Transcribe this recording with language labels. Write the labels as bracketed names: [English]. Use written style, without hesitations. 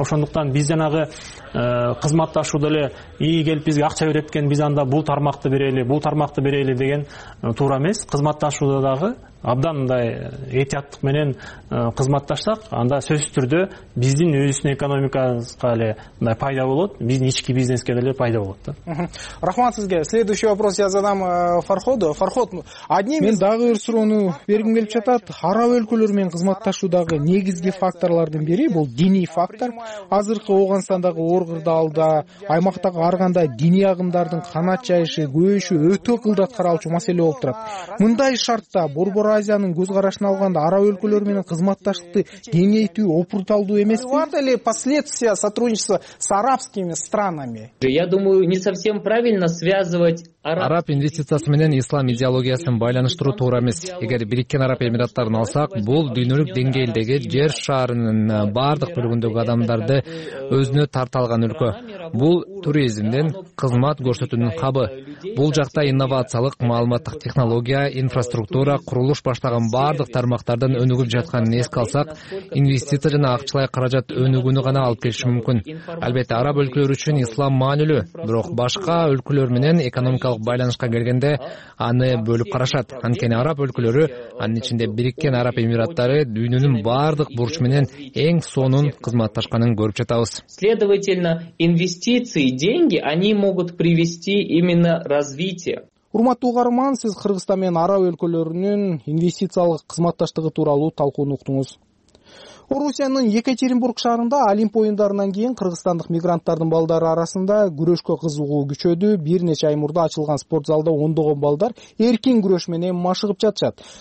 [Kyrgyz] Ошондуктан биз жанагы кызматташуу деле ии келип бизге акча берет экен, биз анда бул тармакты берели, бул тармакты берели деген туура эмес. Кызматташууда дагы абдан мындай этияттык менен кызматташсак, анда сөзсүз түрдө биздин өзүбүздүн экономикабызга эле мындай пайда болот, биздин ички бизнеске деле пайда болот да. Рахмат сизге. [Russian] Следующий вопрос я задам Фарходу. Фарход, одним [Kyrgyz] мен дагы бир суроону бергим келип жатат. Араб өлкөлөрү менен кызматташуудагы негизги факторлордун бири бул диний фактор. Азыркы Ооганстандагы оор кырдаалда аймактагы ар кандай диний агымдардын канат жайышы, көбөйүшү өтө кылдат каралчу маселе болуп турат. Мындай шартта Борбор Азиянын көз карашын алганда араб өлкөлөрү менен кызматташтыкты кеңейтүү опурталдуу эмеспи? Бар эле [Russian] последствия сотрудничества с арабскими странами. Я думаю, не совсем правильно связывать [Kyrgyz] араб инвестициясы менен ислам идеологиясын байланыштыруу туура эмес. Эгер Бириккен Араб Эмираттарын алсак, бул дүйнөлүк деңгээлдеги жер шаарынын бардык бөлүгүндөгү адамдарды өзүнө тарта алган өлкө. Бул туризмден кызмат көрсөтүүнүн хабы. Бул жакта инновациялык, маалыматтык технология, инфраструктура, курулуш баштаган бардык тармактардан өнүгүп жатканын эске алсак, инвестиция жана акчалай каражат өнүгүүнү гана алып келиши мүмкүн. Албетте, араб өлкөлөрү үчүн ислам маанилүү, бирок башка өлкөлөр менен экономикалык байланышка келгенде аны бөлүп карашат. Анткени араб өлкөлөрү, анын ичинде Бириккен Араб Эмираттары дүйнөнүн бардык бурчу менен эң сонун кызматташканын көрүп жатабыз. [Russian] Следовательно, инвестиции, деньги, они могут привести именно развитие. [Kyrgyz] Урматтуу угарман, сиз Кыргызстан менен араб өлкөлөрүнүн инвестициялык кызматташтыгы тууралуу талкууну уктуңуз. Орусиянын Екатеринбург шаарында Олимп оюндарынан кийин кыргызстандык мигранттардын балдары арасында күрөшкө кызыгуу күчөдү. Бир нече ай мурда ачылган спорт залда ондогон балдар эркин күрөш менен машыгып жатышат.